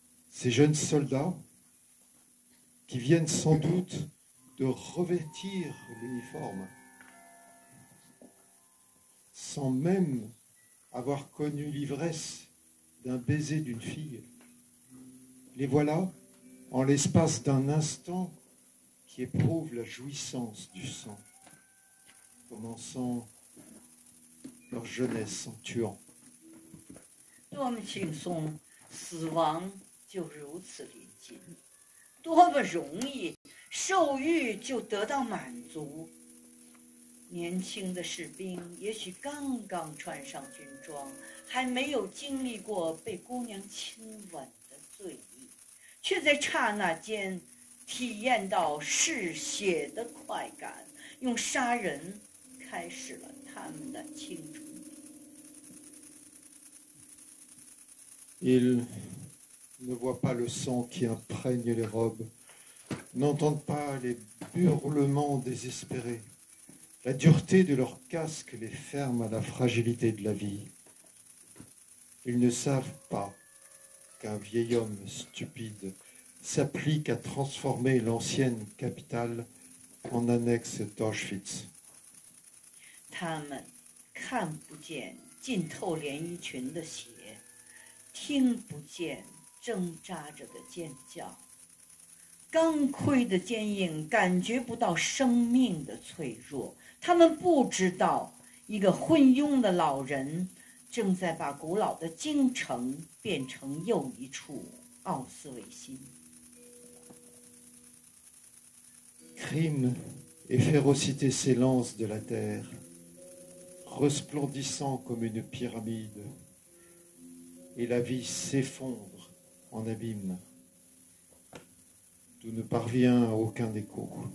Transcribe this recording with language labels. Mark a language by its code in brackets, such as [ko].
[fr] Ces jeunes soldats, qui viennent sans doute de revêtir l'uniforme, sans même avoir connu l'ivresse d'un baiser d'une fille, les voilà, en l'espace d'un instant, qui éprouvent la jouissance du sang, commençant leur jeunesse en tuant. [zh] 多么轻松，死亡就如此临近，多么容易，兽欲就得到满足。年轻的士兵也许刚刚穿上军装，还没有经历过被姑娘亲吻的醉意，却在刹那间体验到嗜血的快感，用杀人开始了他们的青春。 [fr] Ils ne voient pas le sang qui imprègne les robes, n'entendent pas les hurlements désespérés. La dureté de leur casque les ferme à la fragilité de la vie. Ils ne savent pas qu'un vieil homme stupide s'applique à transformer l'ancienne capitale en annexe d'Auschwitz. Ils ne voient pas le sang. [zh] 听不见挣扎着的尖叫，钢盔的坚硬感觉不到生命的脆弱。他们不知道，一个昏庸的老人正在把古老的京城变成又一处奥斯维辛。 [fr] Crime et férocité s'élancent de la terre, resplendissant comme une pyramide. Et la vie s'effondre en abîme, d'où ne parvient aucun écho.